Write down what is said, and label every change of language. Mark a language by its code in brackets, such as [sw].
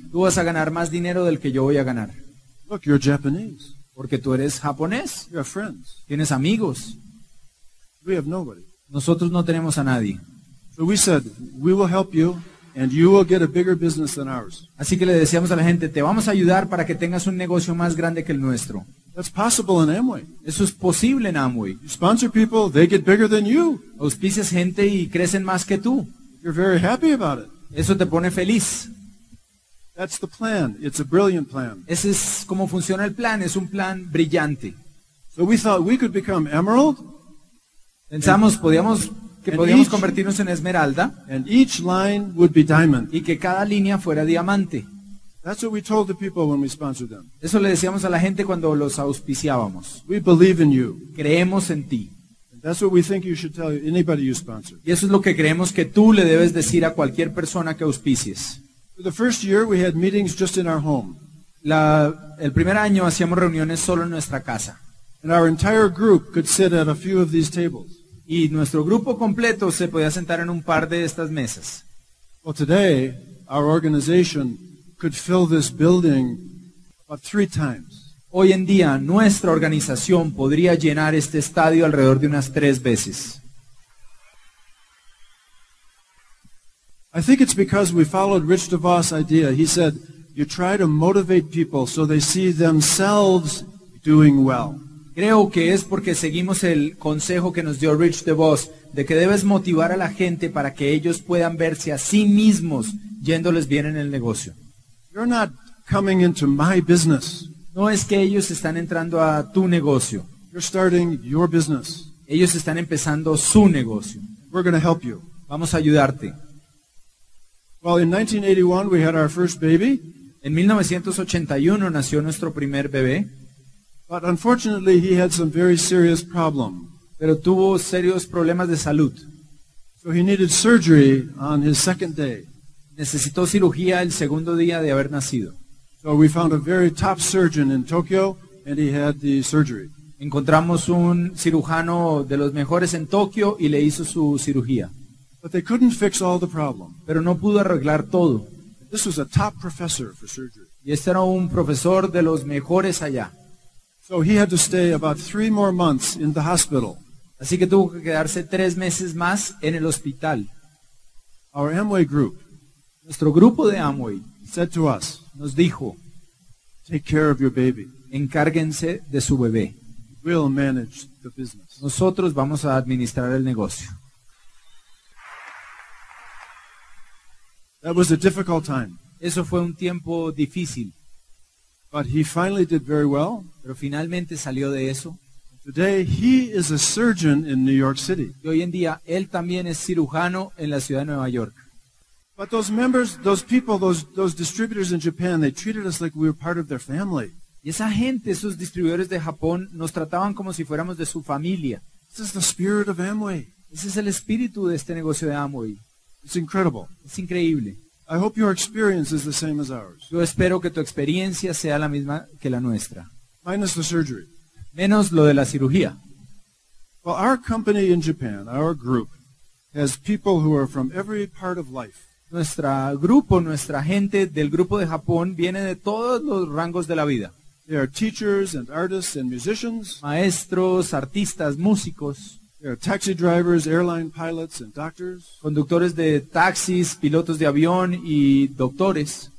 [es] Tú vas a ganar más dinero del que yo voy a ganar. [en] Look, you're Japanese. [es] Porque tú eres japonés. [en] You have friends. [es] Tienes amigos. [en] We have nobody. [es] Nosotros no tenemos a nadie. [en] So we said, we will help you and you will get a bigger business than ours. [es] Así que le decíamos a la gente, te vamos a ayudar para que tengas un negocio más grande que el nuestro. [en] That's possible in Amway. [es] Eso es posible en Amway. [en] You sponsor people, they get bigger than you. [es] Auspicias gente y crecen más que tú. [en] You're very happy about it. [es] Eso te pone feliz. [en] That's the plan. It's a brilliant plan. [es] Ese es cómo funciona el plan. Es un plan brillante. [en] So we thought we could become emerald. [es] Pensamos podíamos convertirnos en esmeralda. [en] And each line would be diamond. [es] Y que cada línea fuera diamante. [en] That's what we told the people when we sponsored them. [es] Eso le decíamos a la gente cuando los auspiciábamos. [en] We believe in you. [es] Creemos en ti. [en] And that's what we think you should tell anybody you sponsor. [es] Y eso es lo que creemos que tú le debes decir a cualquier persona que auspicies. [en] For the first year we had meetings just in our home. [es] El primer año hacíamos reuniones solo en nuestra casa. [en] And our entire group could sit at a few of these tables. [es] Y nuestro grupo completo se podía sentar en un par de estas mesas. [en] Well, today our organization could fill this building about 3 times. [es] Hoy en día nuestra organización podría llenar este estadio alrededor de unas 3 veces. [en] I think it's because we followed Rich DeVos' idea. He said, you try to motivate people so they see themselves doing well. [es] Creo que es porque seguimos el consejo que nos dio Rich DeVos de que debes motivar a la gente para que ellos puedan verse a sí mismos yéndoles bien en el negocio. [en] You're not coming into my business. [es] No es que ellos están entrando a tu negocio. [en] You're starting your business. [es] Ellos están empezando su negocio. [en] We're going to help you. [es] Vamos a ayudarte. [en] Well, in 1981 we had our first baby. [es] En 1981 nació nuestro primer bebé. [en] But unfortunately he had some very serious problem. [es] Pero tuvo serios problemas de salud. [en] So he needed surgery on his second day. [es] Necesitó cirugía el segundo día de haber nacido. [en] So we found a very top surgeon in Tokyo and he had the surgery. [es] Encontramos un cirujano de los mejores en Tokio y le hizo su cirugía. [en] But they couldn't fix all the problem. [es] Pero no pudo arreglar todo. [en] This was a top professor for surgery. [es] Y este era un profesor de los mejores allá. [en] So he had to stay about 3 more months in the hospital. [es] Así que tuvo que quedarse 3 meses más en el hospital. [en] Our Amway group. [es] Nuestro grupo de Amway [en] said to us, [es] nos dijo, [en] take care of your baby. [es] Encárguense de su bebé. [en] We'll manage the business. [es] Nosotros vamos a administrar el negocio. [en] That was a difficult time. [es] Eso fue un tiempo difícil. [en] But he finally did very well. [es] Pero finalmente salió de eso. [en] Today he is a surgeon in New York City. [es] Y hoy en día él también es cirujano en la ciudad de Nueva York. [en] But those members, those people, those distributors in Japan, they treated us like we were part of their family. [es] Y esa gente, esos distribuidores de Japón, nos trataban como si fuéramos de su familia. [en] This is the spirit of Amway. [es] Ese es el espíritu de este negocio de Amway. [en] It's incredible. [es] Es increíble. [en] I hope your experience is the same as ours. [es] Yo espero que tu experiencia sea la misma que la nuestra. [en] Minus the surgery. [es] Menos lo de la cirugía. [en] Well, our company in Japan, our group, has people who are from every part of life. [es] Nuestro grupo, nuestra gente del grupo de Japón viene de todos los rangos de la vida. [en] They are teachers and artists and musicians. [es] Maestros, artistas, músicos. [en] They are taxi drivers, airline pilots and doctors. [es] Conductores de taxis, pilotos de avión y doctores.